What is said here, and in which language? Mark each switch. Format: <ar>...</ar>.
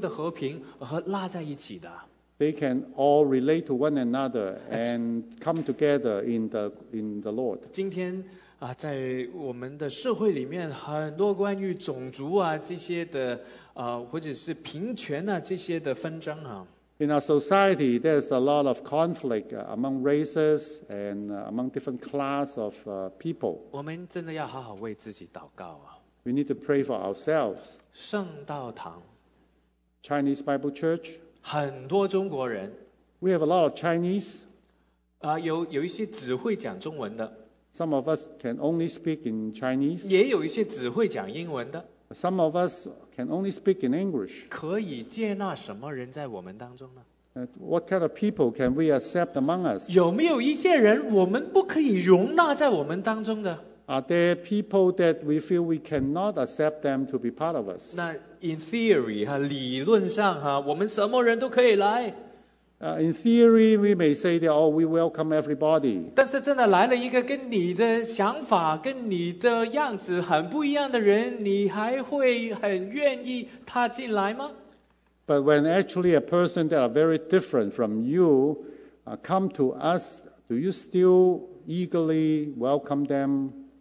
<zh>都可以因为主耶稣基督的和平而拉在一起的。</zh> <en>They can all relate to one another and come together in the Lord.</en> <zh>今天在我们的社会里面，很多关于种族啊这些的，或者是平权啊这些的纷争啊。</zh> <en>In our society, there's a lot of conflict among races and among different class of people.</en> <zh>我们真的要好好为自己祷告啊。We</zh> <en>need to pray for ourselves.</en> <zh>圣道堂</zh> <en>Chinese Bible Church.</en> <zh>很多中国人,</zh> <en>we have a lot of Chinese.</en> <zh>有一些只会讲中文的,</zh> <en>some of us can only speak in Chinese.</en> <zh>也有一些只会讲英文的,</zh> <en>some of us can only speak in English.</en> <zh>可以接纳什么人在我们当中呢?</zh> <en>What kind of people can we accept among us?</en> <zh>有没有一些人我们不可以容纳在我们当中的?</zh> <en>Are there people that we feel we cannot accept them to be part of us?</en> <zh>那</zh> <en>in theory,</en> <zh>理论上, 我们什么人都可以来。</zh> <en>In theory, we may say that, oh, we welcome everybody.</en> <zh>但是真的来了一个跟你的想法、跟你的样子很不一样的人, 你还会很愿意他进来吗?</zh> <en>But when actually a person that are very different from you come to us, do you still eagerly welcome them?</en>